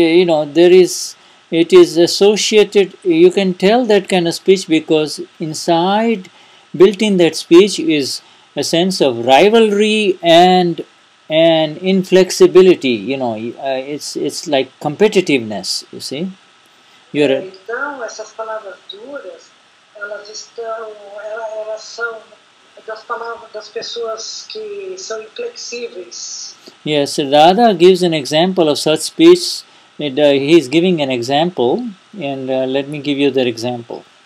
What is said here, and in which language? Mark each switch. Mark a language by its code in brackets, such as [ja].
[en] It is associated, you can tell that kind of speech because inside, built in that speech is a sense of rivalry and inflexibility, you know, it's like competitiveness, you see. [pt] Então, essas palavras duras, elas são das palavras das pessoas que são inflexíveis. [en] Yes, Radha gives an example of such speech. He is giving an example, and let me give you that example.